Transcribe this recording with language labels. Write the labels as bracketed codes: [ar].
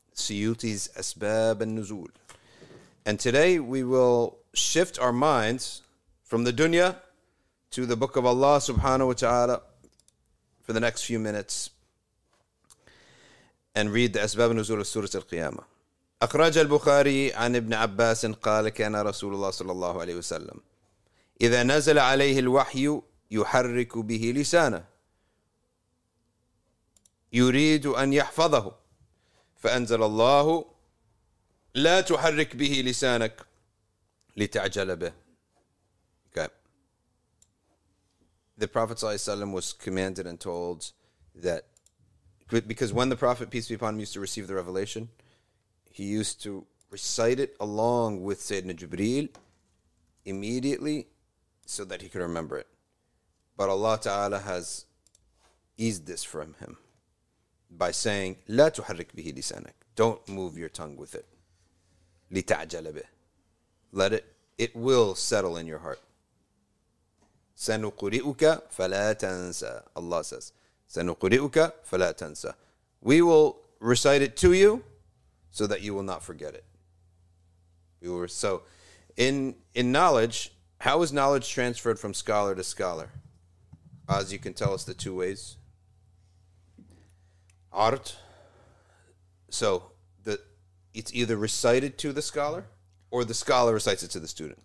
[en] Suyuti's Asbab al-Nuzul. And today we will shift our minds from the dunya to the book of Allah subhanahu wa ta'ala for the next few minutes and read the Asbab al-Nuzul of Surah Al-Qiyama. [ar] أخرج البخاري عن ابن عباس قال كان رسول الله صلى الله عليه وسلم إذا نزل عليه الوحي يحرك به لسانه يريد أن يحفظه فأنزل الله لا تحرك به لسانك لتعجل به. [en] Okay. The Prophet صلى الله عليه وسلم was commanded and told that because when the Prophet peace be upon him used to receive the revelation, he used to recite it along with Sayyidina Jibreel immediately so that he could remember it. But Allah Ta'ala has eased this from him by saying, [ar] لا تحرك به لسانك. [en] Don't move your tongue with it. [ar] لتعجل به. [en] Let it, it will settle in your heart. [ar] سنقرئك فلا تنسى. [en] Allah says, [ar] سنقرئك فلا تنسى. [en] We will recite it to you so that you will not forget it. We were so in knowledge, how is knowledge transferred from scholar to scholar? As you can tell us the two ways. Art. So the it's either recited to the scholar or the scholar recites it to the student.